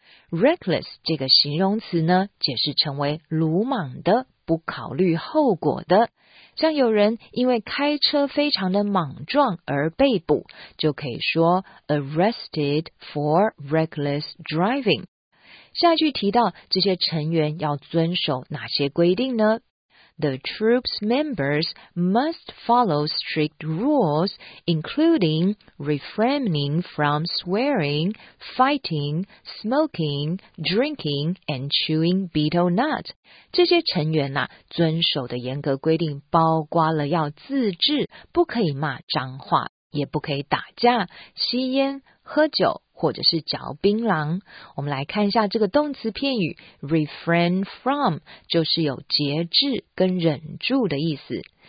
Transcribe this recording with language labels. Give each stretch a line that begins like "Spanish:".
Chinese: Reckless 这个形容词呢，解释成为鲁莽的，不考虑后果的，像有人因为开车非常的莽撞而被捕，就可以说
English: arrested for reckless driving。
Chinese: 下句提到这些成员要遵守哪些规定呢？
English: The troop's members must follow strict rules including refraining from swearing, fighting, smoking, drinking and chewing betel nut。
Chinese: 这些成员啊，遵守的严格规定包括了要自制，不可以骂脏话，也不可以打架、吸烟、喝酒或者是嚼槟榔。我们来看一下这个动词片语 refrain from， 就是有节制跟忍住的意思。